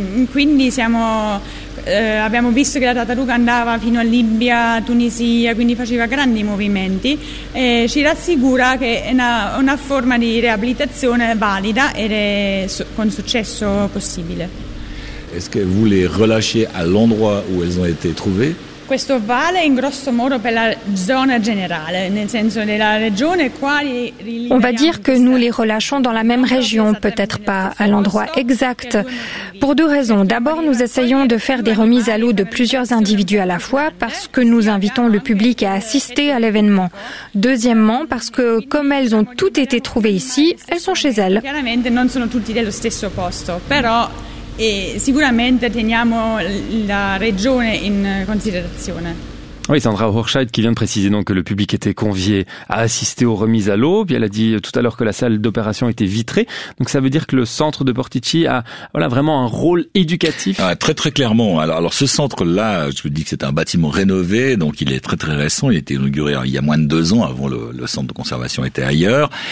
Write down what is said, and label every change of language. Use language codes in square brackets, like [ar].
[it] Quindi siamo abbiamo visto che la tartaruga andava fino a Libia, Tunisia, quindi faceva grandi movimenti e ci rassicura che è una forma di riabilitazione valida ed è con successo possibile. [fr] Est-ce que vous les relâchez à l'endroit où elles ont été trouvées? [it] Questo vale in grosso modo per la zona generale, nel senso della regione qua. [fr] On va dire que nous les relâchons dans la même région, peut-être pas à l'endroit exact, pour deux raisons. D'abord, nous essayons de faire des remises à l'eau de plusieurs individus à la fois parce que nous invitons le public à assister à l'événement. Deuxièmement, parce que comme elles ont toutes été trouvées ici, elles sont chez elles. [it] Chiaramente non sono tutti dello stesso posto, però e sicuramente teniamo la regione in considerazione. [fr] Oui, Sandra Horscheid qui vient de préciser donc que le public était convié à assister aux remises à l'eau. Puis elle a dit tout à l'heure que la salle d'opération était vitrée. Donc ça veut dire que le centre de Portici a vraiment un rôle éducatif. Ah, très très clairement. Alors ce centre-là, je vous dis que c'est un bâtiment rénové, donc il est très très récent. Il a été inauguré il y a moins de 2 ans avant le centre de conservation était ailleurs.